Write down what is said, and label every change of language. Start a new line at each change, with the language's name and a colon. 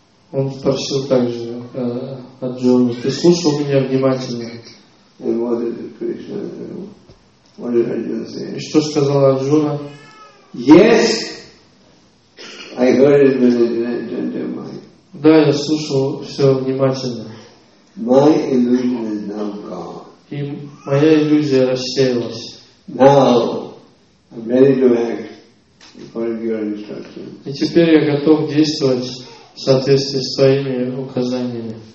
Russian: Он спросил также Арджуну, ты слушал меня внимательно? И что сказал Арджуна?
English: Yes, I heard it with an attentive mind.
Russian: Да, я слушал все внимательно.
English: My illusion is now gone.
Russian: И моя иллюзия рассеялась.
English: Now, I'm ready to act according to your instructions.
Russian: И теперь я готов действовать в соответствии с твоими указаниями.